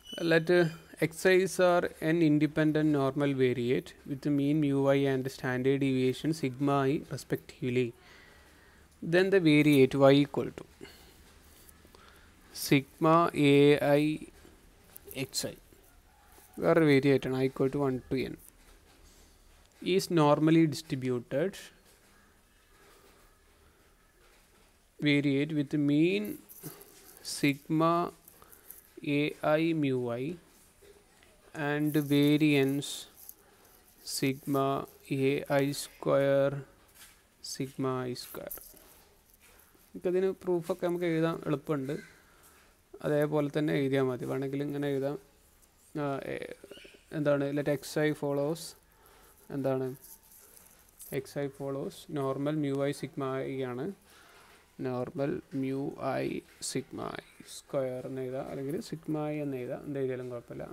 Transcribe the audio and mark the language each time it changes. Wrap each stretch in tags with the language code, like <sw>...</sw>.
<en>let X i's are n independent normal variate with mean mu i and standard deviation sigma i respectively, then the variate Y equal to sigma a i X i,</en> <ml>വേറൊരു variate ആണ്,</ml> <en>I equal to one to n. is normally distributed, variate with the mean sigma ai mu I and variance sigma ai square sigma I square.</en> <ml>ഇതിന് പ്രൂഫൊക്കെ നമുക്ക് എഴുതാൻ എളുപ്പമുണ്ട്, അതേപോലെ തന്നെ എഴുതിയാൽ മതി. വേണമെങ്കിൽ ഇങ്ങനെ എഴുതാം, എന്താണ്</ml> <en>let X i follows,</en> <ml>എന്താണ്</ml> <en>X i follows normal mu i sigma i</en> <ml>ആണ്,</ml> <en>normal mu i sigma i square</en> <ml>എന്ന് എഴുതാം, അല്ലെങ്കിൽ സിഗ്മ ഐ എന്ന് എഴുതാം, എന്ത് എഴുതിയാലും കുഴപ്പമില്ല.</ml>